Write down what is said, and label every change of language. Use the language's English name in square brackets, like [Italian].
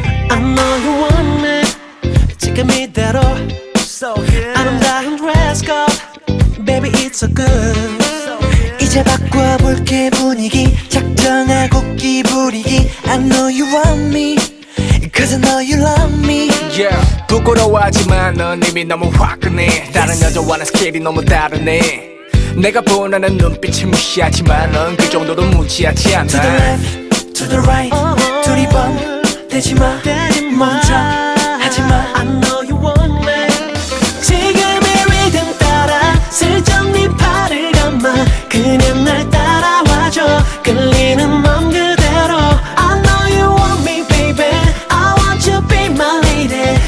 [English] I know you want me, [Korean] 지금이대로 [English] so good. [Korean] 아름다운 [English] dress code, baby it's so good. So good. [Korean] 이제 바꿔볼게 분위기, 작정하고 끼부리기. [English] I know you want me, 'cause I know you love me. Yeah. [Korean] 부끄러워하지만 넌 이미 너무 화끈해. 다른 여자와는 스케일이 너무 다르네. 내가 보내는 눈빛을 무시하지만 넌 그 정도로 무지하지 않아. [English] To the left, to the right, [Korean] 둘이 번. 되지 마, 먼저 하지 마. [English] I know you want me. [Korean] 지금의 리듬 따라 슬쩍 네 팔을 감아. 그냥 날 따라와줘. 끌리는 맘 그대로. [English] I know you want me, baby. I want you be my lady.